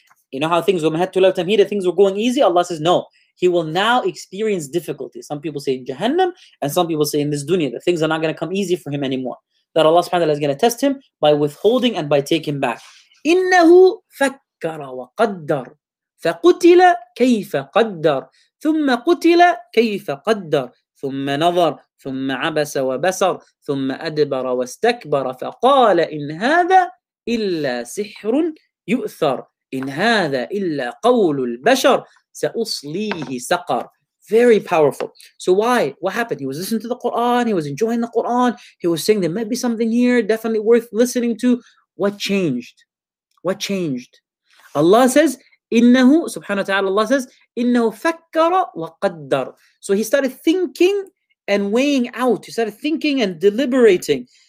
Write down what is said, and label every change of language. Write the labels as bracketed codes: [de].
[en] You know how things were going easy? Allah says, no. He will now experience difficulty. Some people say in Jahannam, and some people say in this dunya, that things are not going to come easy for him anymore. That Allah subhanahu wa ta'ala is going to test him by withholding and by taking back. [ar] إنه فكر وقدر فقتل كيف قدر ثم قتل كيف قدر ثم نظر ثم عبس وبصر ثم أدبر واستكبر فقال إن هذا إلا سحر يؤثر إن هذا إلا قول البشر سأصليه سقر. [en] Very powerful. So why? What happened? He was listening to the Quran. He was enjoying the Quran. He was saying there might be something here definitely worth listening to. What changed? What changed? Allah says, إنه, subhanahu wa ta'ala, Allah says, [ar] إنه فكر وقدر. [en] So he started thinking and weighing out. He started thinking and deliberating.